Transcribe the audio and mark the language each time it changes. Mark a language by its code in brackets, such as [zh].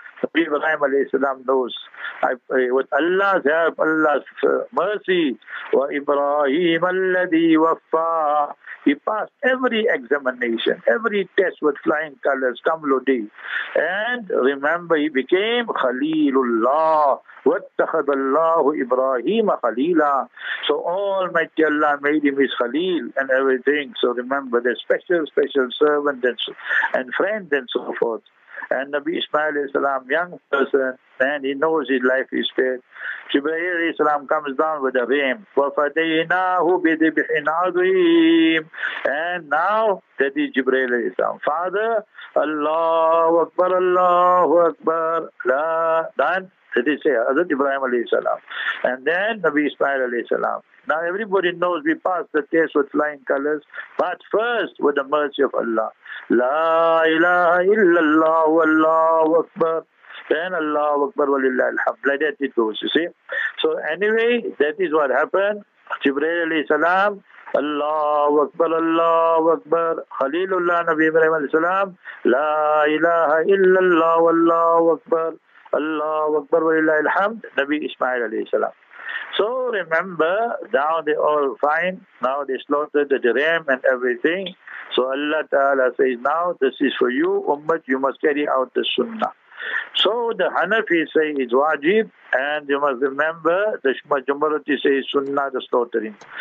[en] Nabi Ibrahim alayhi salam knows. With Allah's help, Allah's mercy, wa Ibrahim alladhi waffa. He passed every examination, every test with flying colors, kamludi. And remember, he became Khalilullah. [ar] واتخذ الله إبراهيم خليلا. [en] So Almighty Allah made him his Khalil and everything. So remember, the special servant and friend and so forth. And Nabi Ismail alayhi salam, young person, and he knows his life is spared. Jibreel alayhi salam comes down with a ram. [ar] وَفَدَيْنَاهُ بِذِبْحٍ عَظِيمٍ. [en] And now, that is Jibreel alayhi salam. Father, Allahu Akbar, Allahu Akbar. La, done. That is say, Hazrat Ibrahim alayhi salam. And then Nabi Ismail alayhi salam. Now everybody knows we passed the test with flying colors, but first with the mercy of Allah. La ilaha illallah wa Allahu Akbar. Then Allahu Akbar wa lillahi alhamd. Like that it goes, you see. So anyway, that is what happened. [ar] جبريل عليه السلام الله أكبر الله أكبر خليل الله نبي إبراهيم عليه السلام لا إله إلا الله والله أكبر الله أكبر ولله الحمد نبي إسماعيل عليه السلام. [en] So remember, now they all fine, now they slaughtered the dirham and everything. So Allah Ta'ala says, now this is for you, Ummat, you must carry out the Sunnah. So the Hanafi say it's wajib, and you must remember, the majority say Sunnah, the slaughtering.